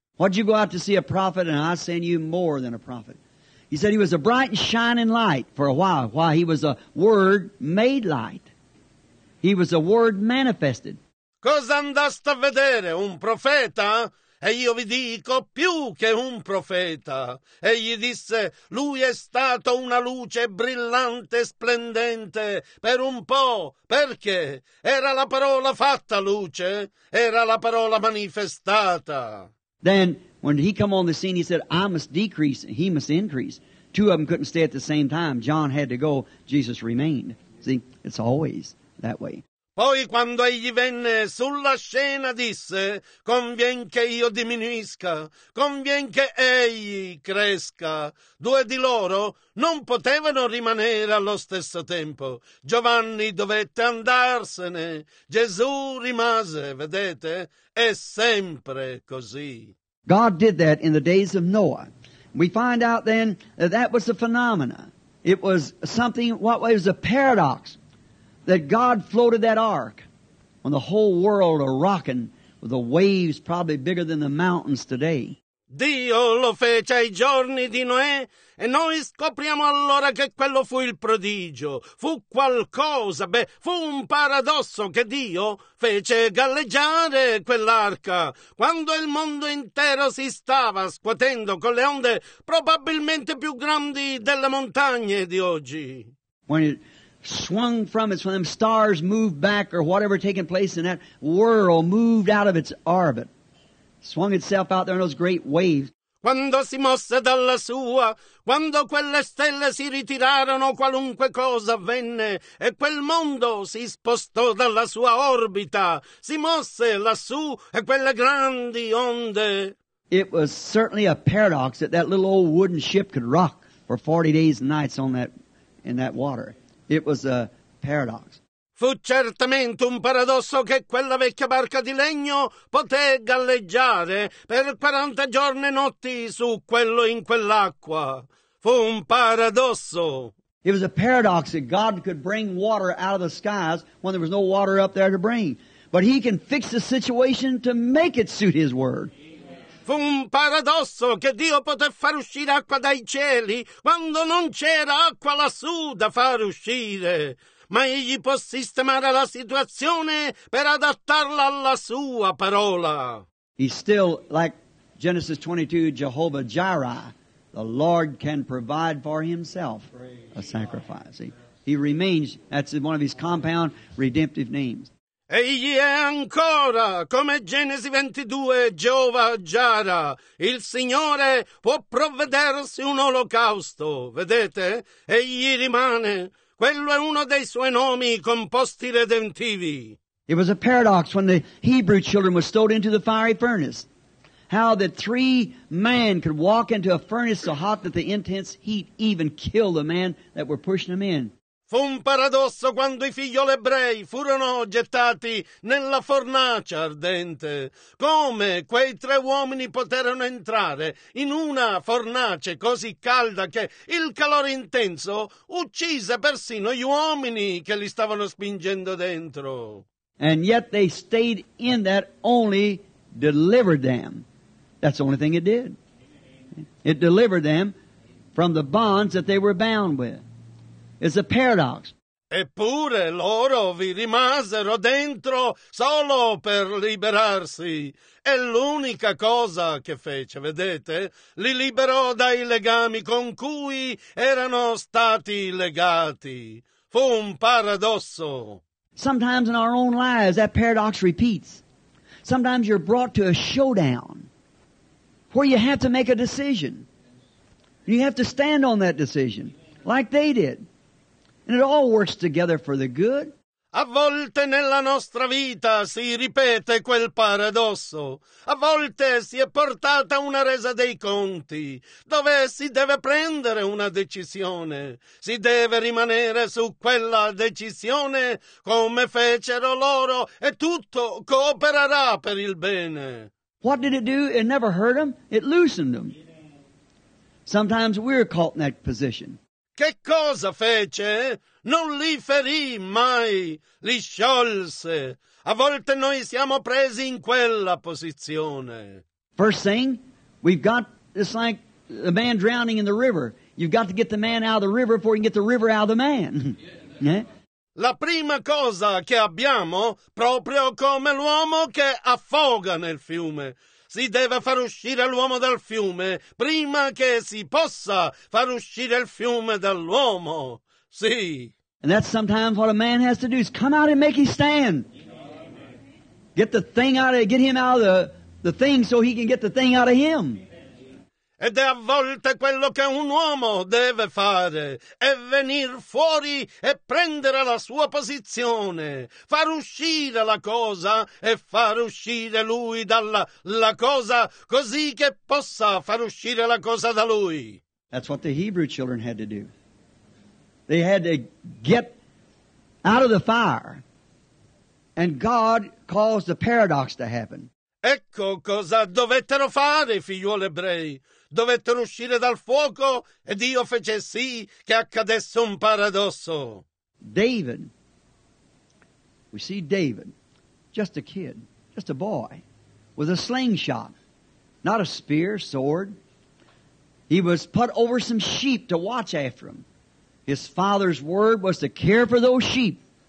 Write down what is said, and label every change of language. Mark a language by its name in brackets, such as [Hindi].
[English] What'd you go out to see a prophet, and I say unto you, more than a prophet? He said he was a bright and shining light for a while he was a word made light. He was a word manifested. [Italian] Cosa andaste a vedere, un profeta? E io vi dico, più che un profeta. Egli disse, lui è stato una luce brillante, splendente, per un po'. Perché? Era la parola fatta luce, era la parola manifestata. [English] Then, when he come on the scene, he said, I must decrease, he must increase. Two of them couldn't stay at the same time. John had to go, Jesus remained. See, it's always that way. [Italian] Poi quando egli venne sulla scena, disse, convien che io diminuisca, convien che egli cresca. Due di loro non potevano rimanere allo stesso tempo. Giovanni dovette andarsene. Gesù rimase, vedete, è sempre così. [English] God did that in the days of Noah. We find out then that was a phenomena. It was something, what was a paradox, that God floated that ark when the whole world are rocking with the waves probably bigger than the mountains today. [Italian] Dio lo fece ai giorni di Noè e noi scopriamo allora che quello fu il prodigio. Fu qualcosa, fu un paradosso che Dio fece galleggiare quell'arca. Quando il mondo intero si stava scuotendo con le onde probabilmente più grandi delle montagne di oggi. [English] When it swung from it, when them stars moved back or whatever taking place in that world moved out of its orbit. Swung itself out there in those great waves. [Italian] Quando si mosse dalla sua, quando quelle stelle si ritirarono, qualunque cosa avvenne, e quel mondo si spostò dalla sua orbita, si mosse lassù, e quelle grandi onde. [English] It was certainly a paradox that that little old wooden ship could rock for 40 days and nights on that, in that water. It was a paradox. [Italian] Fu certamente un paradosso che quella vecchia barca di legno poté galleggiare per 40 giorni e notti su quello in quell'acqua. Fu un paradosso. [English] It was a paradox that God could bring water out of the skies when there was no water up there to bring. But he can fix the situation to make it suit his word. [Italian] Fu un paradosso che Dio poté far uscire acqua dai cieli quando non c'era acqua lassù da far uscire. Ma egli può sistemare la situazione per adattarla alla sua parola. [English] He's still like Genesis 22, Jehovah Jireh. The Lord can provide for himself a sacrifice. He remains, that's one of his compound redemptive names. [Italian] Egli è ancora, come Genesi 22, Jehovah Jireh, il Signore può provvedersi un olocausto. Vedete? Egli rimane. Quello è uno dei suoi nomi composti redentivi. [English] It was a paradox when the Hebrew children were stowed into the fiery furnace. How that three men could walk into a furnace so hot that the intense heat even killed the man that were pushing them in. [Italian] Fu un paradosso quando i figlioli ebrei furono gettati nella fornace ardente. Come quei tre uomini poterono entrare in una fornace così calda che il calore intenso uccise persino gli uomini che li stavano spingendo dentro. [English] And yet they stayed in that only delivered them. That's the only thing it did. It delivered them from the bonds that they were bound with. It's a paradox. [Italian] Eppure loro vi rimasero dentro solo per liberarsi. È l'unica cosa che fece, vedete? Li liberò dai legami con cui erano stati legati. Fu un paradosso. [English] Sometimes in our own lives that paradox repeats. Sometimes you're brought to a showdown where you have to make a decision. You have to stand on that decision like they did. And it all works together for the good. [Italian] A volte nella nostra vita si ripete quel paradosso. A volte si è portata una resa dei conti dove si deve prendere una decisione. Si deve rimanere su quella decisione come fecero loro e tutto coopererà per il bene. [English] What did it do? It never hurt them. It loosened them. Sometimes we're caught in that position. [Italian] Che cosa fece? Non li ferì mai, li sciolse. A volte noi siamo presi in quella posizione. [English] First thing, we've got, it's like a man drowning in the river. You've got to get the man out of the river before you can get the river out of the man. Yeah. [Italian] La prima cosa che abbiamo, proprio come l'uomo che affoga nel fiume, si deve far uscire l'uomo dal fiume prima che si possa far uscire il fiume dall'uomo. Sì. [English] And that's sometimes what a man has to do, is come out and make his stand. Get the thing out of, get him out of the thing so he can get the thing out of him. [Italian] Ed è a volte quello che un uomo deve fare, è venir fuori e prendere la sua posizione, far uscire la cosa e far uscire lui dalla la cosa, così che possa far uscire la cosa da lui. [English] That's what the Hebrew children had to do. They had to get out of the fire, and God caused the paradox to happen. [Italian] Ecco cosa dovettero fare i figlioli ebrei. Dovettero uscire dal fuoco e Dio fece sì che accadesse un paradosso. [English] David, we see David, just a kid, just a boy, with a slingshot, not a spear, sword. He was put over some sheep to watch after him. His father's word was to care for those sheep.